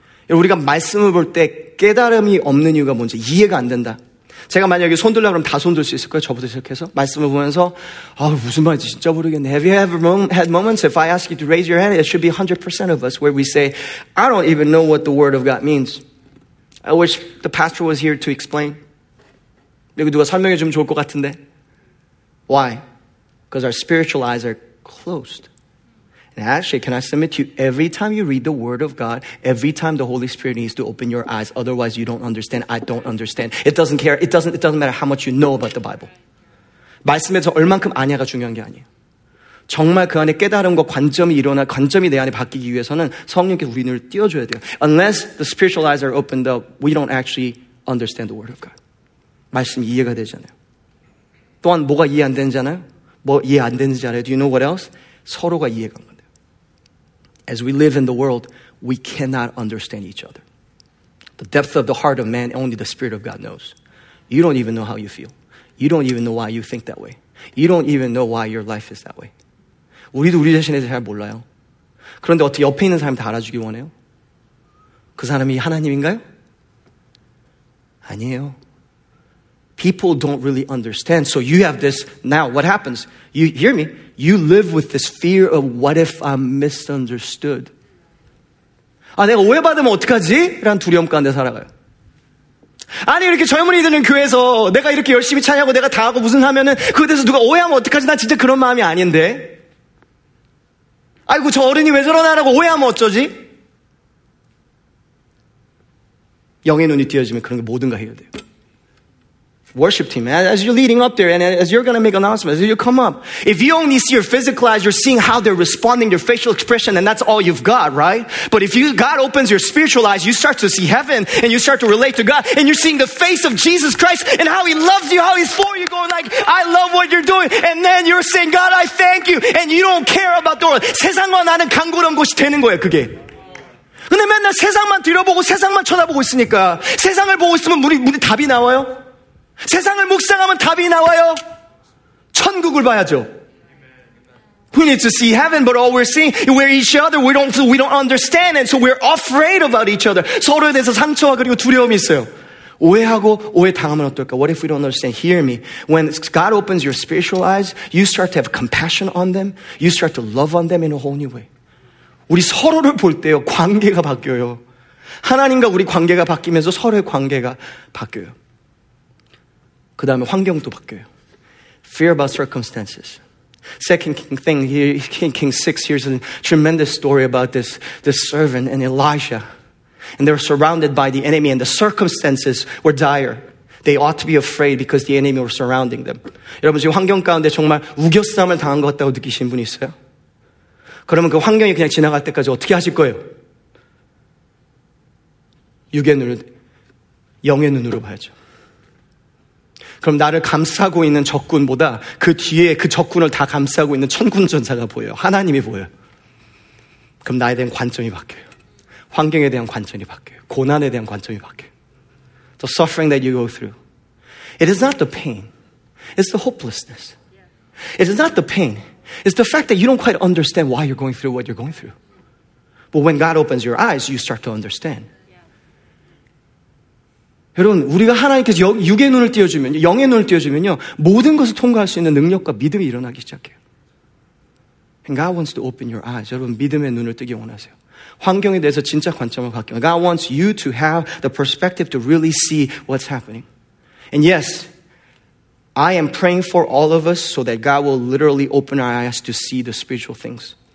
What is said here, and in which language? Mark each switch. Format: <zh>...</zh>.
<ko>우리가 말씀을 볼 때 깨달음이 없는 이유가 뭔지 이해가 안 된다. 제가 만약에 손들려고 하면 다 손들 수 있을 거예요. 저부터 시작해서 말씀을 보면서 아 무슨 말인지 진짜 모르겠네.</ko> <en>Have you ever had moments? If I ask you to raise your hand, it should be 100% of us where we say, I don't even know what the word of God means. I wish the pastor was here to explain.</en> <ko>여기 누가 설명해 주면 좋을 것 같은데.</ko> <en>Why? Because our spiritual eyes are closed. And actually, can I submit to you, every time you read the word of God, every time the Holy Spirit needs to open your eyes, otherwise you don't understand, I don't understand. It doesn't care, it doesn't matter how much you know about the Bible.</en> <ko>말씀에서 얼만큼 아냐가 중요한 게 아니에요. 정말 그 안에 깨달음과 관점이 일어나, 관점이 내 안에 바뀌기 위해서는 성령께서 우리 눈을 띄워줘야 돼요.</ko> <en>Unless the spiritual eyes are opened up, we don't actually understand the word of God.</en> <ko>말씀 이해가 되잖아요. 또한 뭐가 이해 안 되는지 알아요? 뭐 이해 안 되는지 알아요?</ko> <en>Do you know what else?</en> <ko>서로가 이해가 안 돼요.</ko> <en>As we live in the world, we cannot understand each other. The depth of the heart of man, only the Spirit of God knows. You don't even know how you feel. You don't even know why you think that way. You don't even know why your life is that way.</en> <ko>우리도 우리 자신에 대해 잘 몰라요. 그런데 어떻게 옆에 있는 사람이 다 알아주기 원해요? 그 사람이 하나님인가요? 아니에요.</ko> <en>People don't really understand. So you have this now. What happens? You hear me? You live with this fear of what if I'm misunderstood.</en> <ko>아, 내가 오해받으면 어떡하지? 라는 두려움 가운데 살아가요. 아니 이렇게 젊은이들은 교회에서 내가 이렇게 열심히 찬양하고 내가 다 하고 무슨 하면은 그거에 대해서 누가 오해하면 어떡하지? 난 진짜 그런 마음이 아닌데. 아이고 저 어른이 왜 저러나라고 오해하면 어쩌지? 영의 눈이 띄어지면 그런 게 뭐든가 해야 돼요.</ko> <en>Worship team, as you're leading up there and as you're going to make announcements, as you come up, if you only see your physical eyes, you're seeing how they're responding, their facial expression, and that's all you've got, right? But if you, God opens your spiritual eyes, you start to see heaven and you start to relate to God and you're seeing the face of Jesus Christ and how he loves you, how he's for you, going like, I love what you're doing. And then you're saying, God, I thank you. And you don't care about the world.</en> <ko>세상과 나는 강구한 곳이 되는 거예요, 그게. 근데 맨날 세상만 들여보고 세상만 쳐다보고 있으니까 세상을 보고 있으면 우리 답이 나와요? 세상을 묵상하면 답이 나와요? 천국을 봐야죠.</ko> <en>We need to see heaven, but all we're seeing, we're each other, we don't understand, and so we're afraid about each other.</en> <ko>서로에 대해서 상처와 그리고 두려움이 있어요. 오해하고 오해당하면 어떨까?</ko> <en>What if we don't understand? Hear me. When God opens your spiritual eyes, you start to have compassion on them, you start to love on them in a whole new way.</en> <ko>우리 서로를 볼 때요, 관계가 바뀌어요. 하나님과 우리 관계가 바뀌면서 서로의 관계가 바뀌어요. 그 다음에 환경도 바뀌어요.</ko> <en>Fear about circumstances. Second thing, King 6, here's a tremendous story about this servant and Elijah. And they were surrounded by the enemy and the circumstances were dire. They ought to be afraid because the enemy was surrounding them.</en> <ko>여러분, 지금 환경 가운데 정말 우겨싸움을 당한 것 같다고 느끼신 분 있어요? 그러면 그 환경이 그냥 지나갈 때까지 어떻게 하실 거예요? 육의 눈을, 영의 눈으로 봐야죠. 그럼 나를 감싸고 있는 적군보다 그 뒤에 그 적군을 다 감싸고 있는 천군전사가 보여요. 하나님이 보여요. 그럼 나에 대한 관점이 바뀌어요. 환경에 대한 관점이 바뀌어요. 고난에 대한 관점이 바뀌어요.</ko> <en>The suffering that you go through. It is not the pain. It's the hopelessness. It is not the pain. It's the fact that you don't quite understand why you're going through what you're going through. But when God opens your eyes, you start to understand.</en> <ko>여러분, 우리가 하나님께서 육의 눈을 띄워주면, 영의 눈을 띄워주면요, 모든 것을 통과할 수 있는 능력과 믿음이 일어나기 시작해요.</ko> <en>And God wants to open your eyes.</en> <ko>여러분, 믿음의 눈을 뜨기 원하세요. 환경에 대해서 진짜 관점을 갖게.</ko> <en>God wants you to have the perspective to really see what's happening. And yes, I am praying for all of us so that God will literally open our eyes to see the spiritual things.</en>